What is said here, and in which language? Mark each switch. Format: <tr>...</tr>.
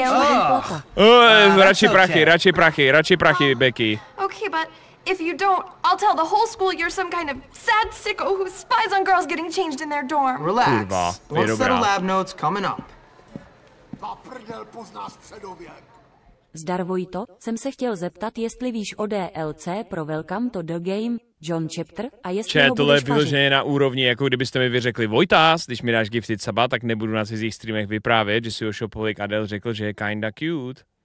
<cs>Radši prachy, radši prachy, radši prachy, Becky.</cs> <en>Okay, but if you don't, I'll tell the whole school you're some kind of sad sicko who spies on girls getting changed in their dorm. Relax. Kurva, one set of lab notes coming up.</en> <cs>Zdar Vojto, jsem se chtěl zeptat, jestli víš o DLC pro Welcome to the Game, John Chapter, a jestli ho budeš pařit. Tohle je vyloženě na úrovni, jako kdybyste mi vyřekli Vojtas, když mi dáš gifted suba, tak nebudu na cizích streamech vyprávět, že si o shopovík Adele řekl, že je</cs> <en>kinda cute.</en>